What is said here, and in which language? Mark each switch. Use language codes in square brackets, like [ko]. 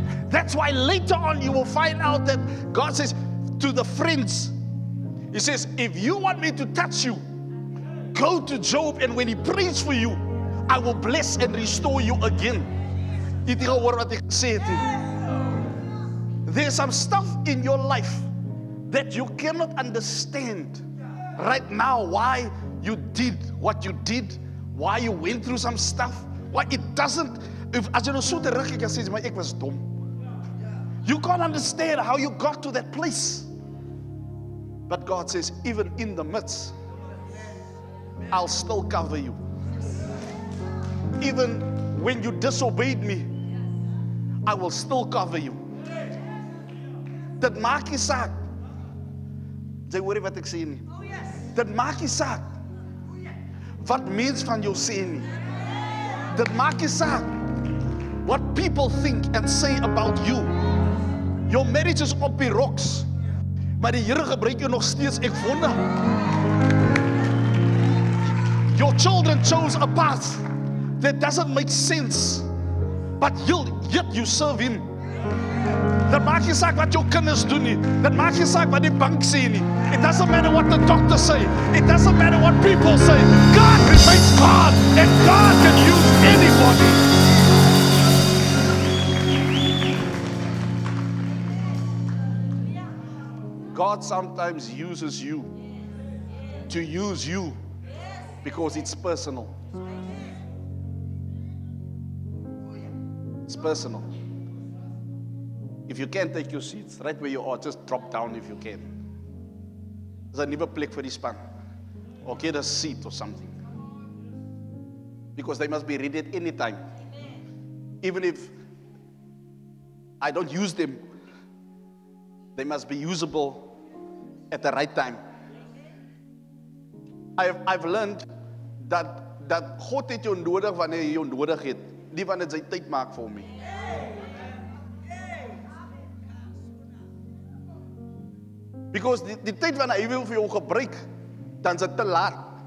[en] That's why later on you will find out that God says to the friends, he says, if you want me to touch you, go to Job, and when he prays for you, I will bless and restore you again. There's some stuff in your life that you cannot understand right now, why you did what you did, why you went through some stuff, why it doesn't [af] As jy nou so terugkyk, jy sê, maar ek was dom. [en] You can't understand how you got to that place. But God says, even in the midst, I'll still cover you. Even when you disobeyed me, I will still cover you. [af] Dit maak nie saak. Jy hoor wat ek sê nie. Dit maak nie saak. Wat mens van jou sê nie. Dit maak nie saak. [en] What people think and say about you. Your marriage is [af] op die [en] rocks. [af] Maar die Here gebruik jou nog steeds. Ek wonder. [en] Your children chose a path that doesn't make sense. But yet you serve Him. [af] Dit maak nie saak wat jou kinders doen nie. Dit maak nie saak wat die bank sê nie. [en] It doesn't matter what the doctor say. It doesn't matter what people say. God remains God. And God can use anybody. God sometimes uses you to use you because it's personal. It's personal. If you can't take your seats right where you are, just drop down if you can. There's a new place for this one. Or get a seat or something. Because they must be ready at any time. Even if I don't use them, they must be usable at the right time. I've learned that [af] God het jou nodig wanneer jy nodig het, nie wanneer jy tyd maak vir hom nie. [en] Because [af] die tyd wanneer hy wil vir jou gebruik, dan is dit te laat.